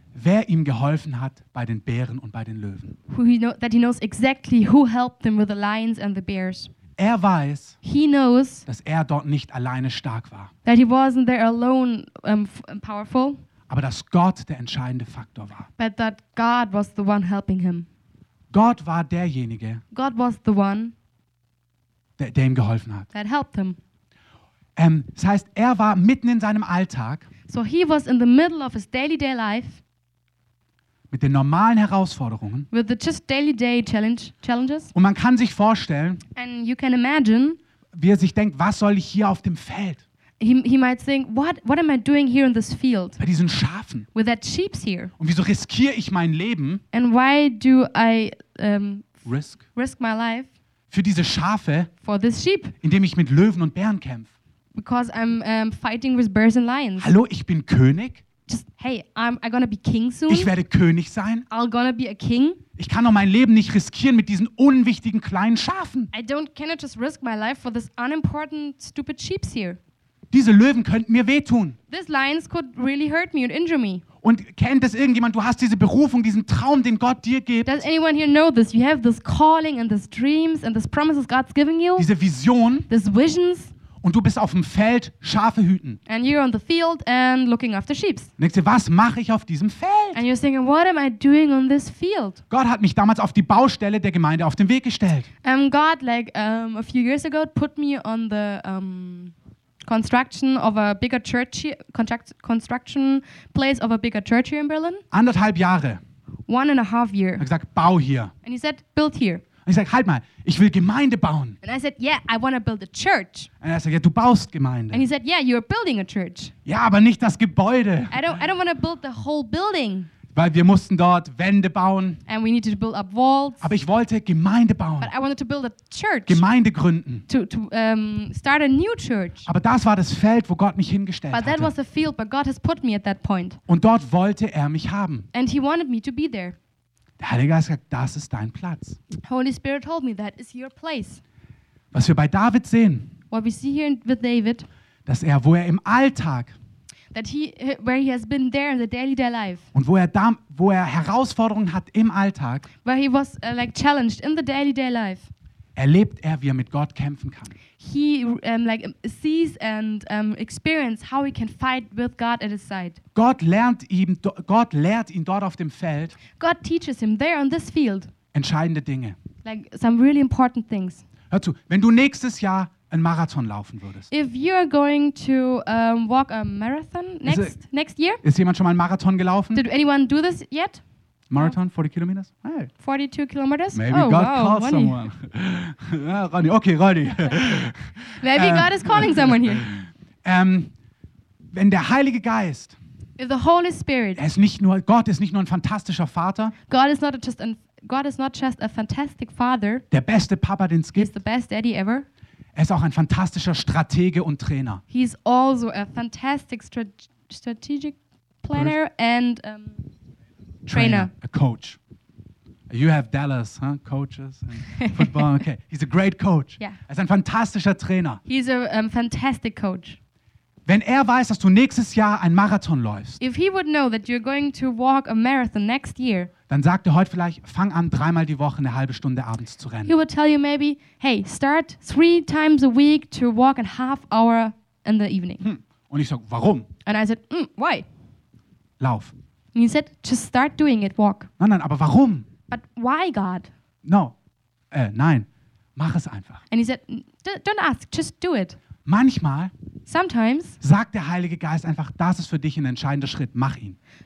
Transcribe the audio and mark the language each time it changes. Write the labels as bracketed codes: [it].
[de] wer ihm geholfen hat bei den Bären und bei den Löwen. [en] That he knows exactly who helped them with the lions and the bears. [de] Er weiß, [en] he knows, [de] dass er dort nicht alleine stark war. [en] That he wasn't there alone, powerful. [de] Aber dass Gott der entscheidende Faktor war. [en] But that God was the one helping him. [de] Gott war derjenige, [en] God was the one, [de] der ihm geholfen hat. [en] That helped him. [de] Das heißt, er war mitten in seinem Alltag. [en] So he was in the middle of his daily day life. [de] Mit den normalen Herausforderungen. [en] With the just daily day challenges. [de] Und man kann sich vorstellen, [en] and you can imagine, [de] wie er sich denkt, was soll ich hier auf dem Feld? [en] He might think, what am I doing here in this field? [de] Bei diesen Schafen. [en] With that sheep's here. [de] Und wieso riskiere ich mein Leben? [en] And why do I risk my life? [de] Für diese Schafe. [en] For this sheep. [de] Indem ich mit Löwen und Bären kämpfe. [en] Because I'm fighting with bears and lions. [de] Hallo, ich bin König. [en] Just hey, I'm gonna be king soon. [de] Ich werde König sein. [en] I'm gonna be a king. [de] Ich kann doch mein Leben nicht riskieren mit diesen unwichtigen kleinen Schafen. [en] Cannot just risk my life for this unimportant stupid sheep's here. [de] Diese Löwen könnten mir wehtun. [en] These lions could really hurt me and injure me. [de] Und kennt das irgendjemand? Du hast diese Berufung, diesen Traum, den Gott dir gibt. [en] Does anyone here know this? You have this calling and these dreams and these promises God's giving you. [de] Diese Vision. [en] These visions. [de] Und du bist auf dem Feld Schafe hüten. [en] And you're on the field and looking after sheep. [de] Denkst du, was mache ich auf diesem Feld? [en] And you're thinking, what am I doing on this field? [de] Gott hat mich damals auf die Baustelle der Gemeinde auf den Weg gestellt. [en] God, like a few years ago, put me on the construction of a bigger church, construction place of a bigger church here in Berlin. [de] Anderthalb Jahre. [en] One and a half year. [de] Er gesagt, bau hier. [en] And he said, build here. [de] Und ich sag, halt mal, ich will Gemeinde bauen. [en] And I said, yeah, I want to build a church. [de] Und er sagt, ja, du baust Gemeinde. [en] And he said, yeah, you're building a church. [de] Ja, aber nicht das Gebäude. [en] I don't want to build the whole building. [de] Weil wir mussten dort Wände bauen. [en] And we needed to build up walls. [de] Aber ich wollte Gemeinde bauen. [en] But I wanted to build a church. [de] Gemeinde gründen. [en] To start a new church. [de] Aber das war das Feld, wo Gott mich hingestellt [en] hatte. But that was the field where God has put me at that point. [de] Und dort wollte er mich haben. [en] And he wanted me to be there. [de] Der Heilige Geist sagt, das ist dein Platz. [en] Holy Spirit told me that is your place. [de] Was wir bei David sehen. [en] What we see here with David. [de] Dass er, wo er im Alltag. [en] That he, where he has been there in the daily day life. [de] Und wo er Herausforderungen hat im Alltag. [en] Where he was like challenged in the daily day life. [de] Erlebt er, wie er mit Gott kämpfen kann. [en] He like sees and experiences how he can fight with God at his side. [de] Gott lehrt ihn dort auf dem Feld. [en] God teaches him there on this field. [de] Entscheidende Dinge. [en] Like some really important things. [de] Hör zu, wenn du nächstes Jahr einen Marathon laufen würdest. [en] If you are going to walk a marathon next year? [de] Ist jemand schon mal einen Marathon gelaufen? [en] Did anyone do this yet? Marathon, no. 40 kilometers? Hey. 42 kilometers? Maybe God called Ronny. Someone. Ja, Ronny, okay, Ronny. Maybe God is calling someone here. [de] Wenn der Heilige Geist, [en] if the Holy Spirit, [de] er ist nicht nur, Gott ist nicht nur ein fantastischer Vater, [en] God is not just a fantastic father, [de] der beste Papa, den es gibt, [en] he's the best daddy ever. [de] Er ist auch ein fantastischer Stratege und Trainer. [en] He's also a fantastic strategic planner and trainer. A coach. You have Dallas, huh? Coaches and football. Okay, he's a great coach. Yeah. [de] Er ist ein fantastischer Trainer. [en] He's a fantastic coach. [de] Wenn er weiß, dass du nächstes Jahr einen Marathon läufst, [en] if he would know that you're going to walk a marathon next year, [de] dann sagt er heute vielleicht, fang an, dreimal die Woche eine halbe Stunde abends zu rennen. [en] He will tell you maybe, hey, start three times a week to walk a half hour in the evening. [de] Und ich sag, warum? [en] And I said, why? [de] Lauf. [en] And he said, just start doing it, walk. [de] Nein, nein, aber warum? [en] But why, God? [de] No, nein, mach es einfach. [en] And he said, don't ask, just do it. [de] Manchmal [en] sometimes [de] sagt der Heilige Geist einfach, das ist für dich ein entscheidender Schritt, mach ihn.